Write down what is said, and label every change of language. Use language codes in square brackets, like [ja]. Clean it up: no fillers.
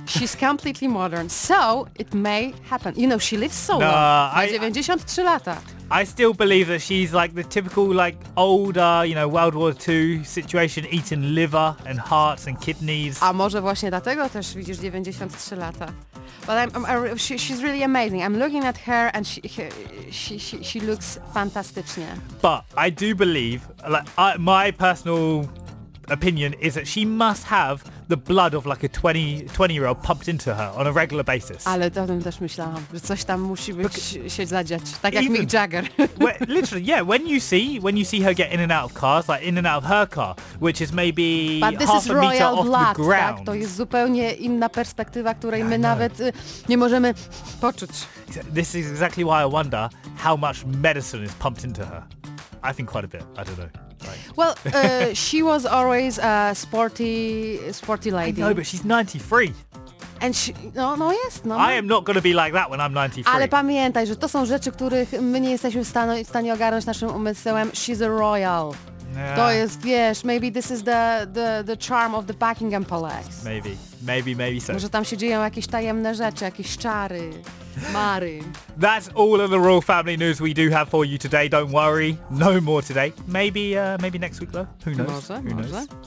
[en] She's completely modern. So it may happen. You know, she lives so long. [pl] 93 lata. [en] I still believe that she's like the typical like older, you know, World War II situation, eating liver and hearts and kidneys. [pl] A może właśnie dlatego też widzisz 93 lata. [en] But she's really amazing. I'm looking at her and she looks [pl] fantastycznie. [en] But I do believe, like my personal opinion is that she must have the blood of like a 20-year-old pumped into her on a regular basis. [pl] Ale to o tym też myślałam, że coś tam musi być się zadziać, tak jak Mick Jagger. [en] Literally, yeah, when you see her get in and out of cars, like in and out of her car, which is maybe half a meter off the ground. [pl] Tak? To jest zupełnie inna perspektywa, której my nawet nie możemy poczuć. [en] This is exactly why I wonder how much medicine is pumped into her. I think quite a bit, I don't know. Right. Well, she was always a sporty lady. No, but she's 93. And she, [pl] no jest. No. [en] I am not going to be like that when I'm 93. [pl] Ale pamiętaj, że to są rzeczy, których my nie jesteśmy w stanie ogarnąć naszym umysłem. [en] She's a royal. Yeah. [pl] To jest, wiesz, [en] maybe this is the charm of the Buckingham Palace. Maybe so. [pl] Może tam się dzieją jakieś tajemne rzeczy, jakieś czary. [en] Mary. That's all of the Royal Family news we do have for you today. Don't worry, no more today. Maybe maybe next week though. Who knows? [pl] Może, [en] who knows?